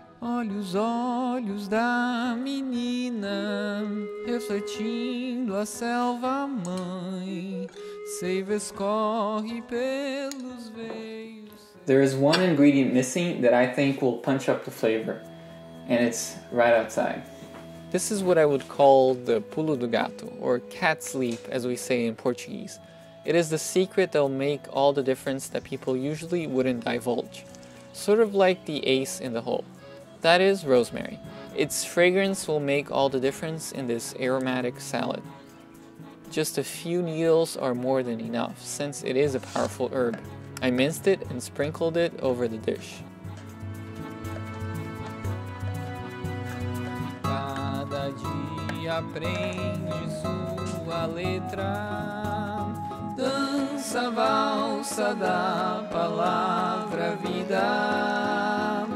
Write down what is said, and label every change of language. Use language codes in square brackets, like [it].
[pt] Olhos, olhos da menina, refletindo a selva mãe, seiva escorre pelos veios. [en] There is one ingredient missing that I think will punch up the flavor, and it's right outside. This is what I would call the [pt] pulo do gato, [en] or cat's leap as we say in Portuguese. It is the secret that'll make all the difference that people usually wouldn't divulge. Sort of like the ace in the hole. That is rosemary. Its fragrance will make all the difference in this aromatic salad. Just a few needles are more than enough, since it is a powerful herb. I minced it and sprinkled it over the dish. [pt] Cada dia aprende sua letra, dança valsa da palavra vida.